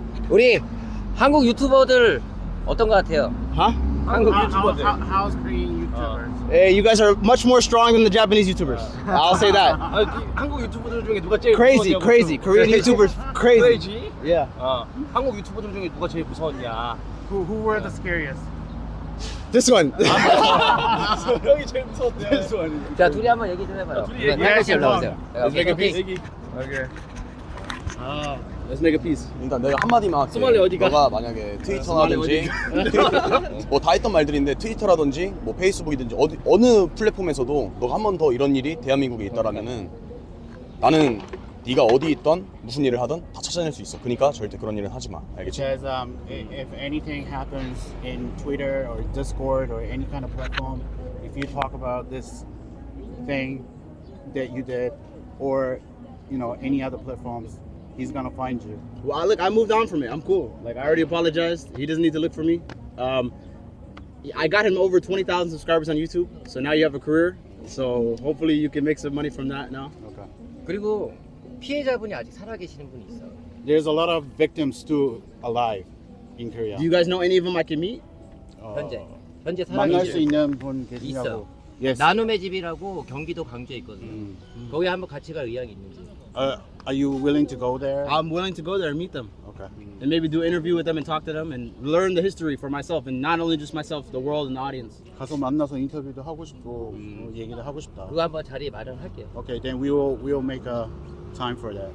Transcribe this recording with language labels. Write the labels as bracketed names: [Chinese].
[Korean] Uri, 한국 유튜버들 어떤 것 같아요? Huh? 한국 유튜버들. [English] How's Korean YouTubers? Hey, you guys are much more strong than the Japanese YouTubers. I'll say that. [Korean] 한국 유튜버들 중에 누가 제일 [English] crazy? Crazy. Korean YouTubers crazy. Crazy? Yeah. [Korean] 한국 유튜버들 중에 누가 제일 무서웠냐? [English] Who were the scariest? This one. [Korean] 형이 제일 무서웠대. [English] This one. [Korean] 자, 둘이 한번 얘기 좀 해봐요. 둘이 얘기해. 한국 씨를 넣으세요. [English] Let's make a piece. Okay. Let's make a peace. [Korean] 일단 내가 한마디만 할게. 소말리 어디가? 너가 만약에 트위터라든지 뭐 다 했던 말들인데 트위터라든지 뭐 페이스북이든지 어느 플랫폼에서도 너가 한 번 더 이런 일이 대한민국에 있다라면은 나는 네가 어디 있던 무슨 일을 하던 다 찾아낼 수 있어. 그러니까 절대 그런 일은 하지 마. 알겠지? [English] Says, if anything happens in Twitter or Discord or any kind of platform, if you talk about this thing that you did or you know any other platforms, he's gonna find you. Well, look, I moved on from it. I'm cool. Like, I already apologized. He doesn't need to look for me. I got him over 20,000 subscribers on YouTube. So now you have a career. So hopefully you can make some money from that now. Okay. [Korean] 그리고 피해자분이 아직 살아계시는 분이 있어. [English] There's a lot of victims still alive in Korea. Do you guys know any of them I can meet? [Korean] 현재 현재 만날 수 있는 분 계시냐고. 있어. [English] Yes. [Korean] 나눔의 집이라고 경기도 광주에 있거든요. 거기 한번 같이 갈 의향이 있는지. [English] Are you willing to go there? I'm willing to go there and meet them. Okay. And maybe do an interview with them and talk to them and learn the history for myself and not only just myself, the world and the audience. [Korean] 가서 만나서 인터뷰도 하고 싶고 얘기도 하고 싶다. 그거 한번 자리에 마련할게요. [English] Okay, then we will make a time for that.